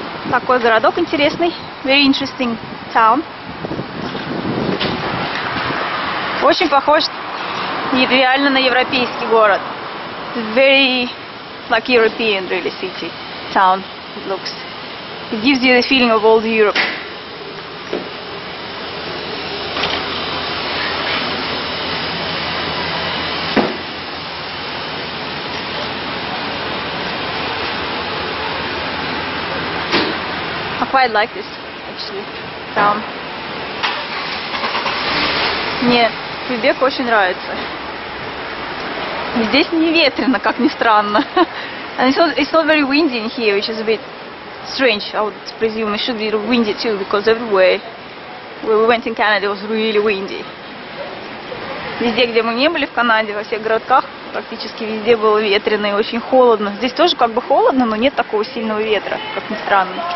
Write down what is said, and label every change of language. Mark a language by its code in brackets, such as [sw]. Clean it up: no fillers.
[ru] Такой городок интересный, very interesting town. Очень похож реально на европейский город. [en] Very like European really city town it looks. It gives you the feeling of old Europe. I quite like this, actually, town. [ru] Мне Квебек очень нравится. Здесь не ветрено, как ни странно. [en] And it's not very windy in here, which is a bit strange. I would presume it should be windy too, because everywhere where we went in Canada it was really windy. [ru] Везде, где мы не были в Канаде, во всех городках, практически везде было ветрено и очень холодно. Здесь тоже как бы холодно, но нет такого сильного ветра, как ни странно.